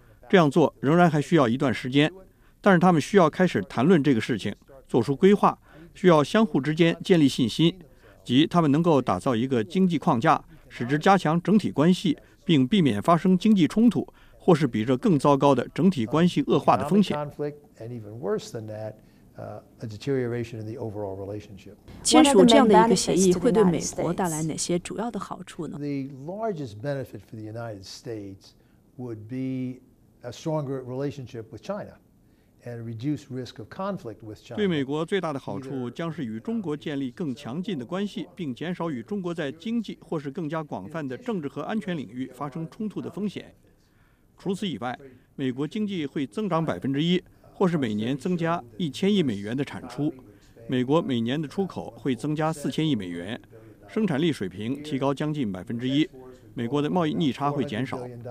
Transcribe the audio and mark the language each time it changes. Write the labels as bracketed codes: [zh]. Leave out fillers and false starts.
[zh] 这样做仍然还需要一段时间，但是他们需要开始谈论这个事情，做出规划，需要相互之间建立信心，即他们能够打造一个经济框架，使之加强整体关系，并避免发生经济冲突或是比这更糟糕的整体关系恶化的风险。签署这样的一个协议会对美国带来哪些主要的好处呢？ [en] The largest benefit for the United States would be a stronger relationship with China and reduce risk of conflict with China. [zh] 对美国最大的好处将是与中国建立更强劲的关系，并减少与中国在经济或是更加广泛的政治和安全领域发生冲突的风险。除此以外，美国经济会增长1%。或是每年增加1000亿美元的产出，美国每年的出口会增加4000亿美元，生产力水平提高将近1%，美国的贸易逆差会减少。